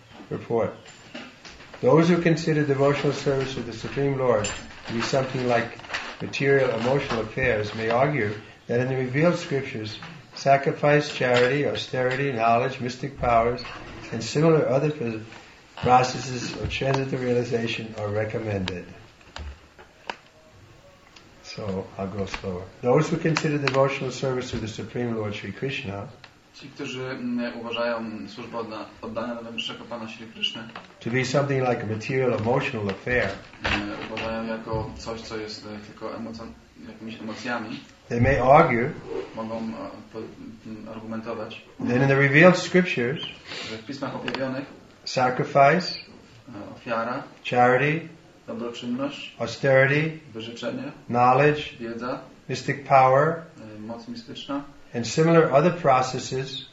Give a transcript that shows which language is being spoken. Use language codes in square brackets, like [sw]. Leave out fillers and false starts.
[en] Report. Those who consider devotional service of the Supreme Lord to be something like material emotional affairs may argue that in the revealed scriptures, sacrifice, charity, austerity, knowledge, mystic powers, and similar other processes of transcendental realization are recommended. So I'll go slower. Those who consider devotional service to the Supreme Lord Sri Krishna. [pl] Ci, którzy uważają służbę oddania do najwyższego Pana Śrī Krishna. [en] To be something like a material emotional affair. [pl] Uważają jako coś, co jest tylko jakimiś emocjami. [en] They may argue. [pl] Mogą argumentować. [en] Then in the revealed scriptures. [pl] W pismach objawionych. [en] Sacrifice. [pl] Ofiara. [en] Charity. [pl] Dobroczynność, [en] austerity, [pl] wyrzeczenie, [en] knowledge, [pl] wiedza, [en] mystic power, [pl] moc mistyczna, [en] and similar other processes